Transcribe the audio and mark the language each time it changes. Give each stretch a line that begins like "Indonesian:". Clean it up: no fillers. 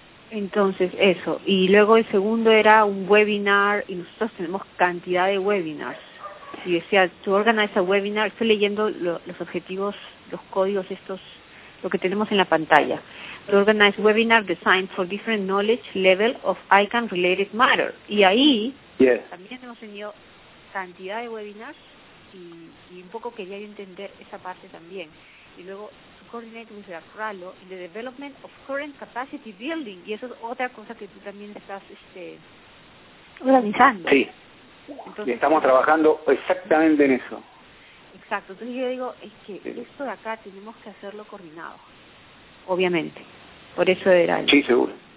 Spanish: Entonces, eso. Y luego el segundo era un webinar, y nosotros tenemos cantidad de webinars. Y decía, tú organizas webinar, estoy leyendo los objetivos, los códigos estos, lo que tenemos en la pantalla. Tú organizas
English: webinar designed for different knowledge level of ICANN related matter.
Spanish: Y ahí también hemos tenido cantidad de webinars, y un poco quería entender esa parte también. Y luego...
English: coordinate with the ACRALO in the development of current capacity building.
Spanish: Y eso es otra cosa que tú también estás organizando. Sí. Entonces, estamos trabajando exactamente en eso. Exacto. Entonces yo digo, es que esto de acá tenemos que hacerlo coordinado. Obviamente. Por eso era... Sí, seguro.